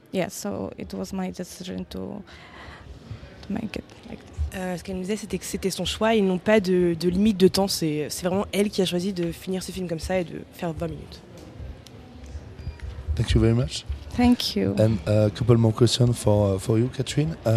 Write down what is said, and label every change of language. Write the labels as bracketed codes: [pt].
[en] So it was my decision to make it like this. [fr] Ce qu'elle nous disait, c'était que c'était son choix, ils n'ont pas de limite de temps, c'est vraiment elle qui a choisi de finir ce film comme ça et de faire 20 minutes. [en] Thank you very much. Thank you. And a couple more questions for you, Catherine.